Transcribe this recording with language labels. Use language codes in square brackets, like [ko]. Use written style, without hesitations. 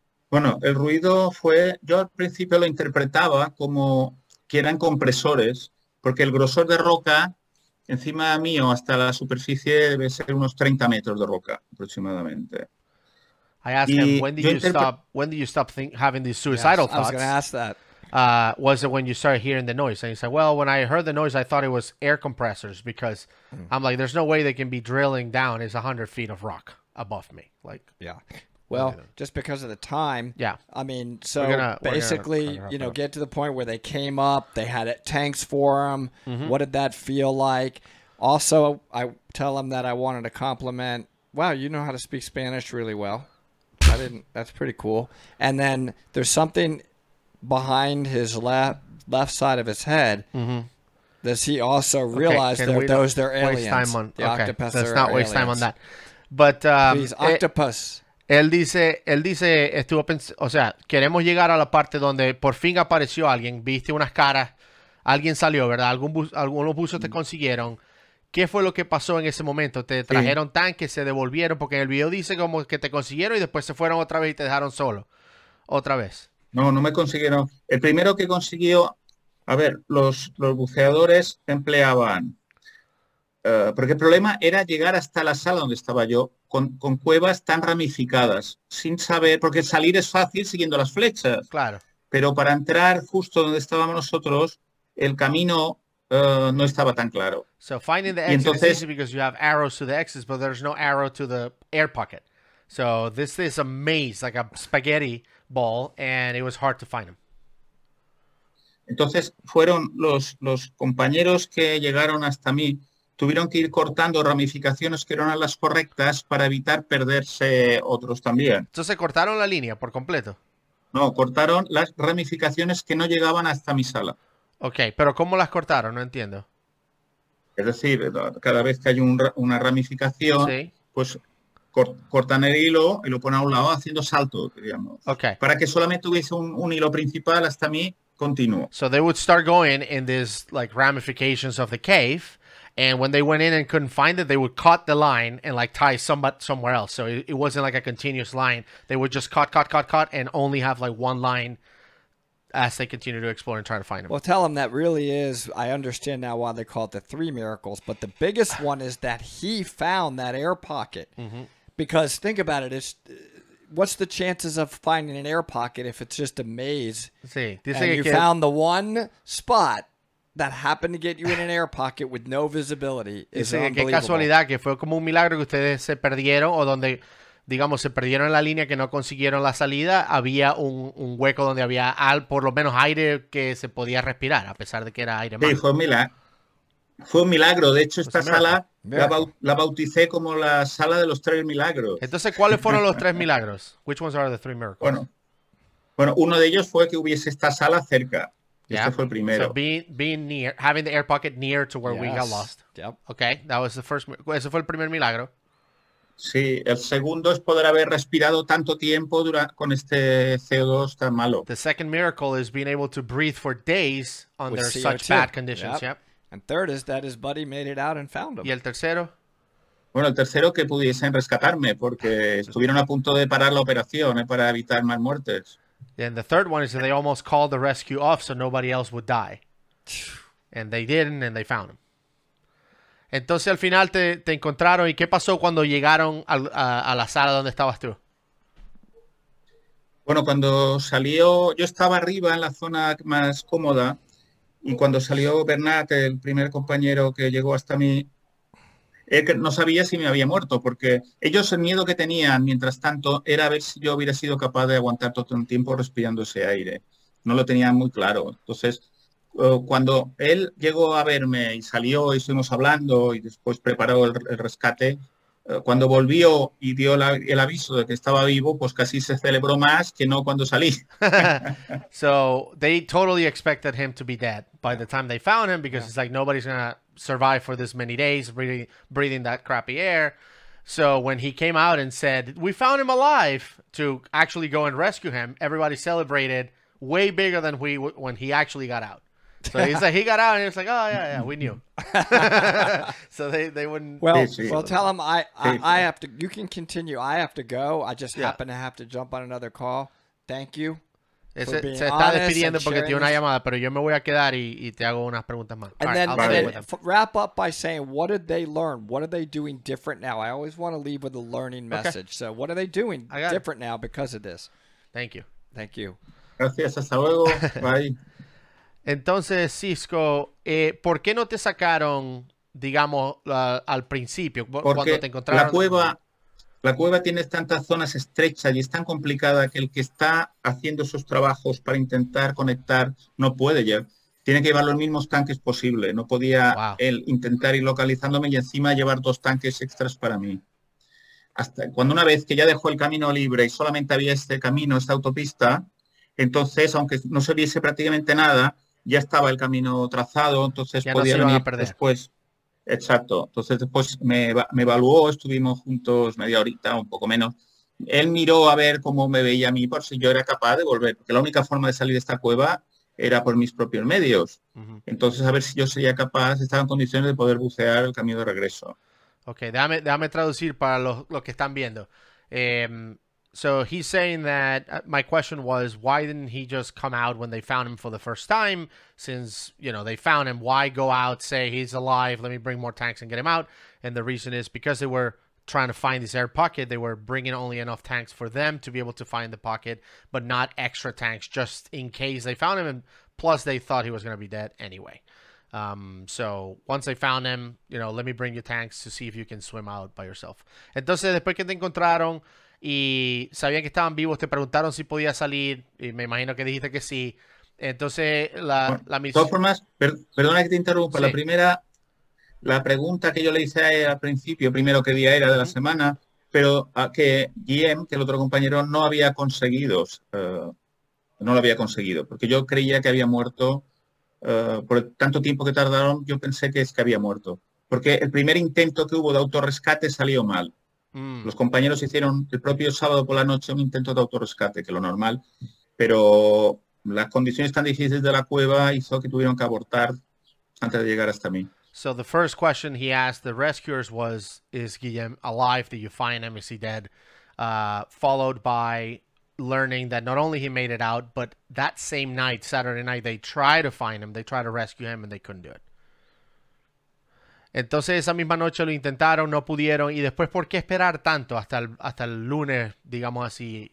[es] Bueno, el ruido fue, yo al principio lo interpretaba como que eran compresores, porque el grosor de roca encima mío hasta la superficie debe ser unos 30 metros de roca aproximadamente. [en] I asked him, when did you stop having these suicidal thoughts? I was going to ask that. Was it when you started hearing the noise? And he said, well, when I heard the noise, I thought it was air compressors because I'm like, there's no way they can be drilling down. It's 100 feet of rock above me. Like, yeah. Well, just because of the time. Yeah. I mean, so basically, you know, get to the point where they came up, they had tanks for them. Mm-hmm. What did that feel like? Also, I tell them that I wanted a compliment. Wow, you know how to speak Spanish really well. I didn't. That's pretty cool. And then there's something behind his left side of his head. Mm-hmm. Does he also realize that those are aliens? Waste time on, octopus. Let's not waste time on that. But he's octopus. [es] Él dice, estuvo pensando, o sea, queremos llegar a la parte donde por fin apareció alguien, viste unas caras, Alguien salió, ¿verdad? Algunos buzos te consiguieron. ¿Qué fue lo que pasó en ese momento? ¿Te trajeron tanques? ¿Se devolvieron? Porque en el video dice como que te consiguieron y después se fueron otra vez y te dejaron solo. Otra vez. No, no me consiguieron. El primero que consiguió... A ver, los buceadores empleaban... porque el problema era llegar hasta la sala donde estaba yo con cuevas tan ramificadas, sin saber... Porque salir es fácil siguiendo las flechas. Claro. Pero para entrar justo donde estábamos nosotros, el camino... no estaba tan claro. [en] So finding the exit entonces, is easy because you have arrows to the exits, but there's no arrow to the air pocket. So this is a maze, like a spaghetti ball, and it was hard to find them. [es] Entonces fueron los compañeros que llegaron hasta mí, tuvieron que ir cortando ramificaciones que eran las correctas para evitar perderse otros también. Entonces cortaron la línea por completo. No, cortaron las ramificaciones que no llegaban hasta mi sala. Ok, pero ¿cómo las cortaron? No entiendo. Es decir, cada vez que hay una ramificación, sí, pues cortan el hilo y lo ponen a un lado haciendo salto, digamos. Ok. Para que solamente hubiese un hilo principal hasta mí, continuo. [en] So they would start going in these like ramifications of the cave, and when they went in and couldn't find it, they would cut the line and like tie somewhere else. So it wasn't like a continuous line. They would just cut, and only have like one line as they continue to explore and try to find him. Well, tell him that really is, I understand now why they call it the three miracles, but the biggest one is that he found that air pocket. Mm-hmm. Because think about it, it's, what's the chances of finding an air pocket if it's just a maze? See, [es] sí. [en] And you found the one spot that happened to get you in an air pocket with no visibility. Is unbelievable. [es] Qué casualidad, que fue como un milagro que ustedes se perdieron o donde... Digamos, se perdieron la línea que no consiguieron la salida. Había un hueco donde había por lo menos aire que se podía respirar, a pesar de que era aire malo. Sí, fue un milagro. De hecho, esta sala la bauticé como la sala de los tres milagros. Entonces, ¿cuáles fueron los tres milagros? [en] Which ones are the three miracles? [es] Bueno, uno de ellos fue que hubiese esta sala cerca. Yeah. Este fue el primero. [en] So being near, having the air pocket near to where we got lost. Yep. Okay, that was the first. [es] Ese fue el primer milagro. Sí, el segundo es poder haber respirado tanto tiempo con este CO2 tan malo. [en] The second miracle is being able to breathe for days under such bad conditions. Yep. And third is that his buddy made it out and found him. [es] ¿Y el tercero? Bueno, el tercero que pudiesen rescatarme porque estuvieron a punto de parar la operación para evitar más muertes. [en] And the third one is that they almost called the rescue off so nobody else would die. And they didn't and they found him. [es] Entonces al final te encontraron y ¿qué pasó cuando llegaron a la sala donde estabas tú? Bueno, cuando salió, yo estaba arriba en la zona más cómoda y cuando salió Bernat, el primer compañero que llegó hasta mí, él no sabía si me había muerto porque ellos el miedo que tenían mientras tanto era ver si yo hubiera sido capaz de aguantar todo un tiempo respirando ese aire. No lo tenían muy claro, entonces... Cuando él llegó a verme y salió y estuvimos hablando y después preparó el rescate, cuando volvió y dio el aviso de que estaba vivo, pues casi se celebró más que no cuando salí. [en] So they totally expected him to be dead by the time they found him because it's like nobody's gonna survive for this many days really breathing that crappy air. So when he came out and said, "We found him alive," to actually go and rescue him, everybody celebrated way bigger than when he actually got out. So he's like, he got out and he was like, oh, yeah, we knew. So they wouldn't. Well, tell him I have to, you can continue. I have to go. I just happen to have to jump on another call. Thank you. [es] Se está despidiendo porque tiene una llamada, pero yo me voy a quedar y te hago unas preguntas más. [en] And then wrap up by saying, what did they learn? What are they doing different now? I always want to leave with a learning message. Okay. So what are they doing different now because of this? Thank you. Thank you. [es] Gracias. Hasta luego. Bye. Entonces, Xisco, ¿por qué no te sacaron, digamos, al principio, porque cuando te encontraron? La cueva tiene tantas zonas estrechas y es tan complicada que el que está haciendo esos trabajos para intentar conectar no puede ya. Tiene que llevar los mismos tanques posible. No podía él intentar ir localizándome y encima llevar dos tanques extras para mí. Hasta cuando una vez que ya dejó el camino libre y solamente había este camino, esta autopista, entonces, aunque no se viese prácticamente nada, ya estaba el camino trazado, entonces ya podía no venir a perder. Después. Exacto. Entonces después me evaluó, estuvimos juntos media horita, un poco menos. Él miró a ver cómo me veía a mí, por si yo era capaz de volver. Porque la única forma de salir de esta cueva era por mis propios medios. Mm-hmm. Entonces, a ver si yo sería capaz, estaba en condiciones de poder bucear el camino de regreso. Okay, déjame traducir para los que están viendo. [en] So he's saying that my question was, why didn't he just come out when they found him for the first time? Since, you know, they found him, why go out, say he's alive, let me bring more tanks and get him out? And the reason is because they were trying to find this air pocket, they were bringing only enough tanks for them to be able to find the pocket, but not extra tanks just in case they found him. And plus, they thought he was going to be dead anyway. So once they found him, you know, let me bring you tanks to see if you can swim out by yourself. [es] Entonces, después que te encontraron y sabían que estaban vivos, te preguntaron si podía salir, y me imagino que dijiste que sí. Entonces, la misión... De todas formas, perdona que te interrumpa. Sí. La pregunta que yo le hice al principio, primero, qué día era de la semana, pero que GM, que el otro compañero, no había conseguido, no lo había conseguido, porque yo creía que había muerto. Por tanto tiempo que tardaron, yo pensé que es que había muerto. Porque el primer intento que hubo de autorrescate salió mal. Los compañeros hicieron el propio sábado por la noche un intento de autorrescate, que lo normal, pero las condiciones tan difíciles de la cueva hizo que tuvieron que abortar antes de llegar hasta mí. [en] So the first question he asked the rescuers was, is Guillem alive? Did you find him? Is he dead? Followed by learning that not only he made it out, but that same night, Saturday night, they tried to find him, they tried to rescue him, and they couldn't do it. [es] Entonces, esa misma noche lo intentaron, no pudieron, y después, ¿por qué esperar tanto hasta el lunes, digamos así?